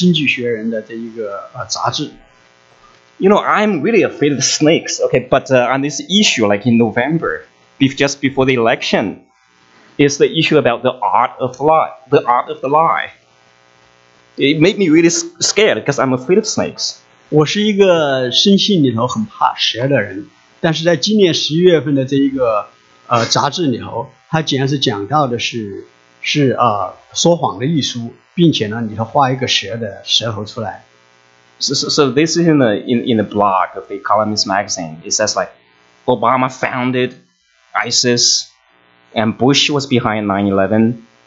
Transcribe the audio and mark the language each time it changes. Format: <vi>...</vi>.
<zh>我家有这个经济学人的这一个杂志。</zh> <en>You know, I'm really afraid of snakes, okay, but on this issue, like in November, just before the election, is the issue about the art of lie, the art of the lie. It made me really scared because I'm afraid of snakes.</en> <zh>我是一个深信里头很怕蛇的人,但是在今年11月份的这一个杂志里头,它竟然是讲到的是说谎的艺术,并且呢里头画一个蛇的蛇头出来。So</zh> <en>this is in the blog of the Economist magazine. It says like Obama founded ISIS and Bush was behind 9/11.</en>